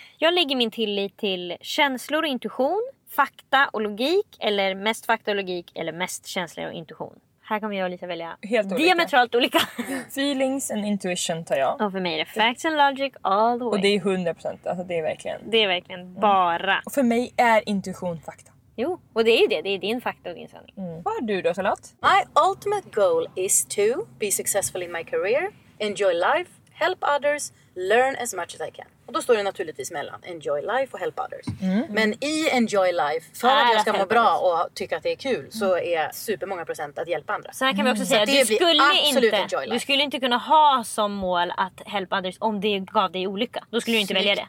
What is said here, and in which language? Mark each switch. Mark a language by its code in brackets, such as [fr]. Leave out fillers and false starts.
[sv] Jag lägger min tillit till känslor och intuition, fakta och logik, eller mest fakta och logik, eller mest känslor och intuition. Här kommer jag och Lisa välja helt olika. Diametralt olika. [en] Feelings and intuition [sv] tar jag. Och för mig är det [en] facts and logic all the way. [sv] Och det är 100%. Alltså det är verkligen. Det är verkligen bara. Och för mig är intuition fakta. Jo, och det är ju det. Det är din fakta och din sanning. Vad har du då, Charlotte? [en] My ultimate goal is to be successful in my career, enjoy life, help others, learn as much as I can. [sv] Och då står det naturligtvis mellan [en] enjoy life [sv] och [en] help others. [sv] Mm. Men i [en] enjoy life, [sv] för att jag ska må bra och tycka att det är kul, så är supermånga procent att hjälpa andra. Så här kan vi också säga, att du skulle inte kunna ha som mål att [en] help others [sv] om det gav dig olycka. Då skulle du inte välja det.